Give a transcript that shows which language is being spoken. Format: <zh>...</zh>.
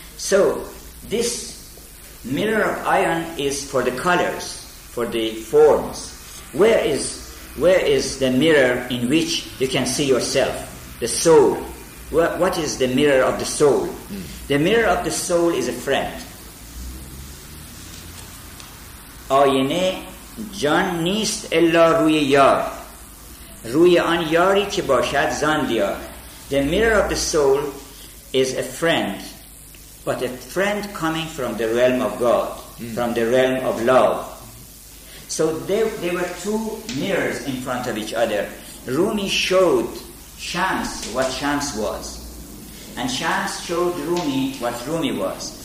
<en>So, this mirror of iron is for the colors, for the forms. Where is the mirror in which you can see yourself, the soul? What is the mirror of the soul? The mirror of the soul is a friend.</en> <fa>آینه جان نیست الا روی یار روی آن یاری که باشد زان دیار.</fa> <en>The mirror of the soul is a friend, but a friend coming from the realm of God, from the realm of love. So there were two mirrors in front of each other. Rumi showed Shams what Shams was, and Shams showed Rumi what Rumi was.</en>